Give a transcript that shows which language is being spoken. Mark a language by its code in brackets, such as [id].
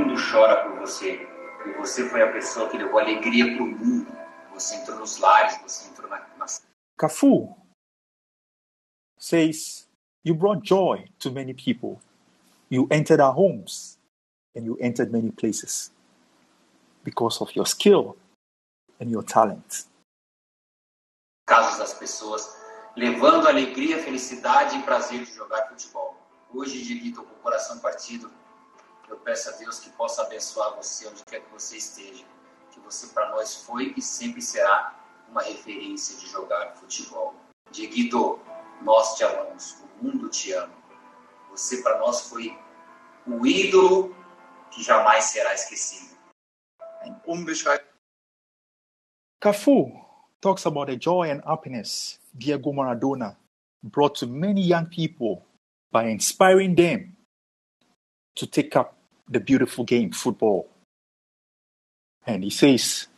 [pt] Chora por você, porque você foi a pessoa que levou alegria para o mundo. Você entrou nos lares, você entrou na [en] Cafu says, you brought joy to many people. You entered our homes and you entered many places because of your skill and your talent. [pt] Casos das pessoas levando alegria, felicidade e prazer de jogar futebol. Hoje dirijo com o coração partido. Eu peço a Deus que possa abençoar você onde quer que você esteja. Que você para nós foi e sempre será uma referência de jogar futebol. Dieguito, nós te amamos. O mundo te ama. Você para nós foi o ídolo que jamais será esquecido. Um beijo. [en] Cafu talks about the joy and happiness Diego Maradona brought to many young people by inspiring them to take up the beautiful game, football. And he says,